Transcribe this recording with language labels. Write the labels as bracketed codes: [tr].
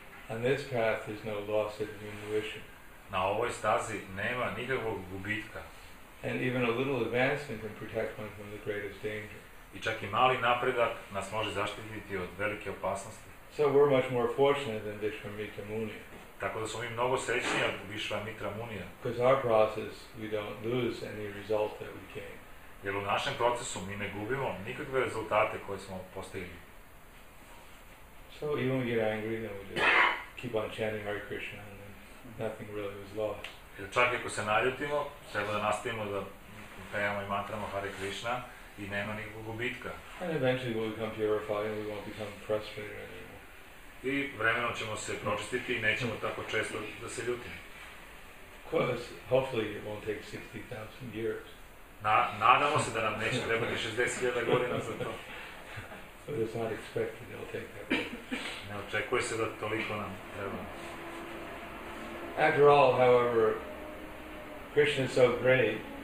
[en] On this path, there's no loss of remuneration. [sr] Na ovoj stazi nema nikakvog gubitka. [en] And even a little advancement can protect one from the greatest danger. [sr] I čak i mali napredak nas može zaštititi od velike opasnosti. [en] So we're much more fortunate than Vishvamitra Muni. [sr] Tako da smo mi mnogo srećniji od Vishvamitra Munija. [en] Because our process, we don't lose any result that we gain. [sr] Jer u našem procesu mi ne gubimo nikakve rezultate koje smo postigli. [en] So even we get angry, then we just keep on chanting Hare Krishna, and then nothing really was lost. [sr] Jer čak ako se naljutimo, treba da nastavimo da pejamo i mantramo Hare Krishna i nema nikakvog gubitka. [en] And eventually we'll become purified and we won't become frustrated anymore. [sr] I vremenom ćemo se pročistiti i nećemo tako često da se ljutimo. [en] Of course, hopefully it won't take 60,000 years. [sr] Nadamo se da nam neće trebati 60,000 godina za to. [en] But it's not expected it'll take that long. [sr] Ne očekuje se da toliko nam treba. [en] After all, however, Krishna is so great.